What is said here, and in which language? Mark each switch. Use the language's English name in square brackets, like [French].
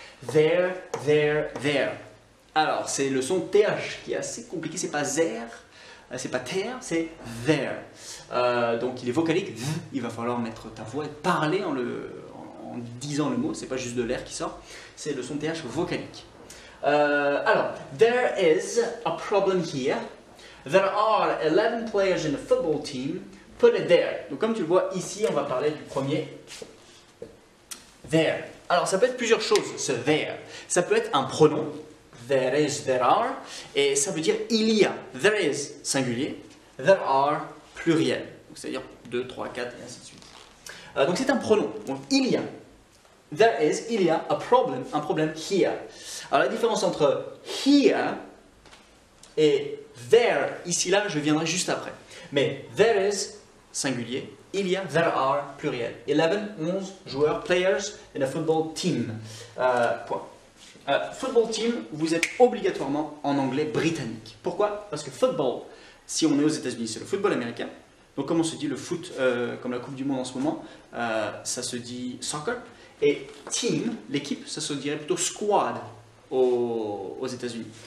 [French] There, there, there. Alors c'est le son TH qui est assez compliqué, c'est pas there, c'est pas there, c'est there. Donc il est vocalique, il va falloir mettre ta voix et parler en disant le mot, c'est pas juste de l'air qui sort, c'est le son TH vocalique. [English] Alors, there is a problem here. There are 11 players in the football team. Put it there. [French] Donc, comme tu le vois ici, on va parler du premier. There. Alors, ça peut être plusieurs choses, ce there. Ça peut être un pronom. [English] There is, there are. [French] Et ça veut dire il y a. [English] There is, singulier. There are, pluriel. [French] Donc, c'est-à-dire 2, 3, 4, et ainsi de suite. Donc, c'est un pronom. Donc, il y a. [English] There is, [French] il y a [English] a problem, [French] un problème [English] here. [French] Alors la différence entre here et there, ici là, je viendrai juste après. Mais [English] there is, [French] singulier, il y a, [English] there are, [French] pluriel. [English] 11, [French] 11 joueurs, [English] players in a football team. [French] Point. Football team, vous êtes obligatoirement en anglais britannique. Pourquoi? Parce que football, si on est aux États-Unis, c'est le football américain. Donc comme on se dit le foot, comme la Coupe du Monde en ce moment, ça se dit soccer. Et team, l'équipe, ça se dirait plutôt squad aux États-Unis.